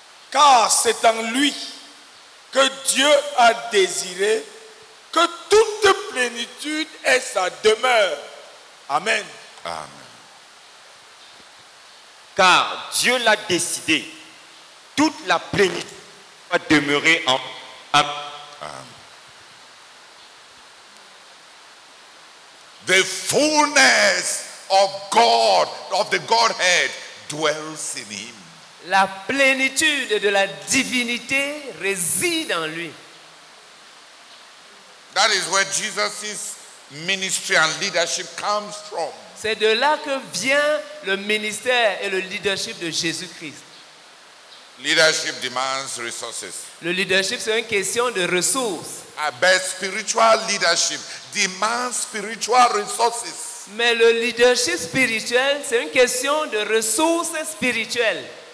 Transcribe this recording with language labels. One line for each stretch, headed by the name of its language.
French: Car c'est en lui que Dieu a désiré que toute plénitude est sa demeure. Amen. Amen. Car Dieu l'a décidé, toute la plénitude va demeurer en... Amen.
English: The fullness of God, of the Godhead, dwells in him.
French: La plénitude de la divinité réside en lui.
English: That is where Jesus' ministry and leadership comes from.
French: C'est de là que vient le ministère et le leadership de Jésus-Christ.
English: Leadership demands resources.
French: Le leadership, c'est une question de ressources.
English: But spiritual leadership demands spiritual resources.
French: Mais le leadership spirituel, c'est une question de ressources spirituelles.